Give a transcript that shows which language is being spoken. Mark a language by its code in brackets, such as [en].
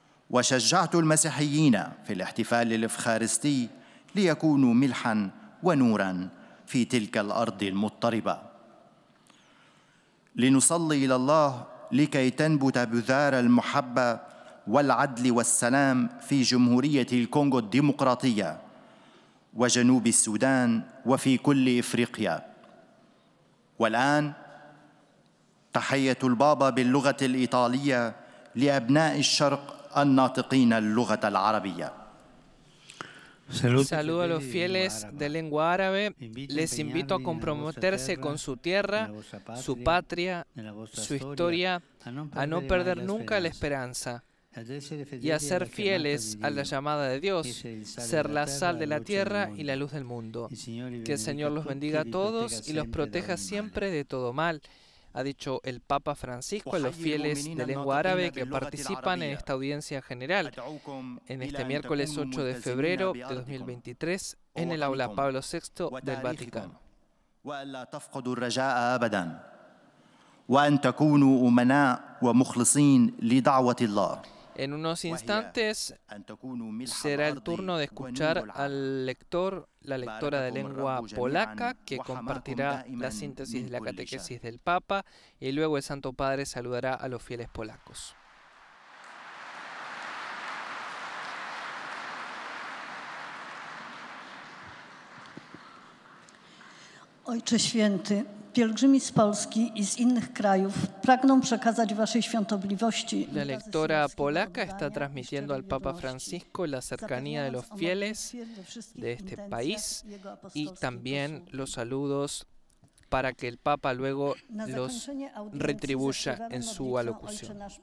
[ar] وشجعت المسيحيين في الاحتفال الإفخارستي ليكونوا ملحاً ونوراً في تلك الأرض المضطربة، لنصلي إلى الله لكي تنبت بذار المحبة والعدل والسلام في جمهورية الكونغو الديمقراطية وجنوب السودان وفي كل إفريقيا. والآن تحية البابا باللغة الإيطالية لأبناء الشرق الناطقين اللغة العربية. [es] Saludo a los fieles de lengua árabe. Les invito a comprometerse con su tierra, su patria, su historia, a no perder nunca la esperanza y a ser fieles a la llamada de Dios, ser la sal de la tierra y la luz del mundo. Que el Señor los bendiga a todos y los proteja siempre de todo mal, ha dicho el Papa Francisco a los fieles de lengua árabe que participan en esta audiencia general en este miércoles 8 de febrero de 2023 en el aula Pablo VI del Vaticano. [ar] وأن لا تفقدوا الرجاء أبدا، وأن تكونوا أمناء ومخلصين لدعوة الله. [es] En unos instantes será el turno de escuchar al lector, la lectora de lengua polaca, que compartirá la síntesis de la catequesis del Papa, y luego el Santo Padre saludará a los fieles polacos. [pl] Ojcze Święty, pielgrzymi z Polski i z innych krajów pragną przekazać waszej świątobliwości. [es] La lectora polaca está transmitiendo al Papa Francisco la cercanía de los fieles de este país y también los saludos para que el Papa luego los retribuya en su alocución.